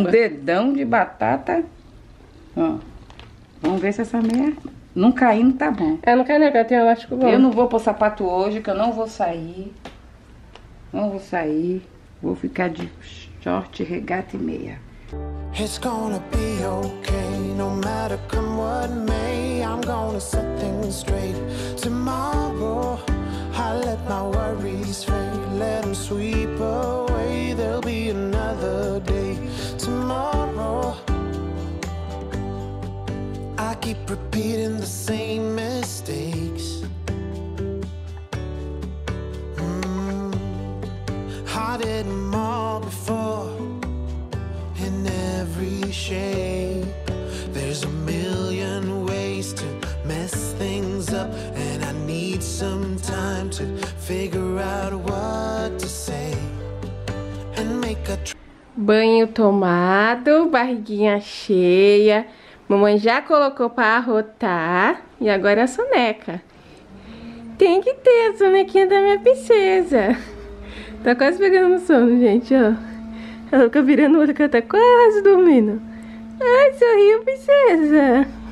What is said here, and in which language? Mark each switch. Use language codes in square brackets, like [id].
[pt] Um dedão de batata. Ó. Vamos ver se essa meia. Não caindo, tá bom. É, não cai, né? Eu tenho elástico bom. Eu não vou pôr sapato hoje, que eu não vou sair. Não vou sair. Vou ficar de short, regata e meia. [en] It's gonna be okay, no matter come what may. I'm gonna set things straight tomorrow. I let my worries fade, let them sweep away. There'll be another day tomorrow. I keep repeating the same mistakes. I did more before. Every shape, there's a million ways to mess things up, and I need some time to figure out what to say and make a [pt] banho tomado, barriguinha cheia. Mamãe já colocou pra arrotar e agora a soneca. Tem que ter a sonequinha da minha princesa. Tá quase pegando no sono, gente, ó. Ela fica virando o olho que ela tá quase dormindo. Ai, sorriu, princesa.